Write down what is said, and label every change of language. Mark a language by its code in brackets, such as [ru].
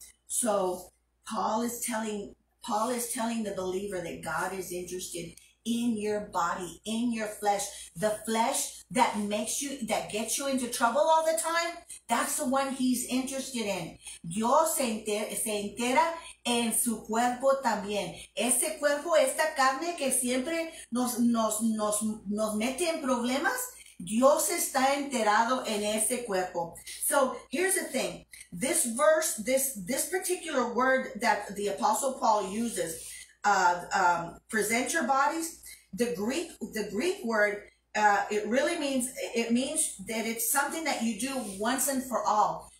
[en] So Paul is telling the believer that God is interested in your body, in your flesh. The flesh that makes you, that gets you into trouble all the time, that's the one he's interested in. [es] Dios se entera en su cuerpo también. Ese cuerpo, esta carne que siempre nos mete en problemas, Dios está enterado en ese cuerpo. [en] So here's the thing. This verse, this particular word that the Apostle Paul uses, present your bodies, the Greek word, it means that it's something that you do once and for all.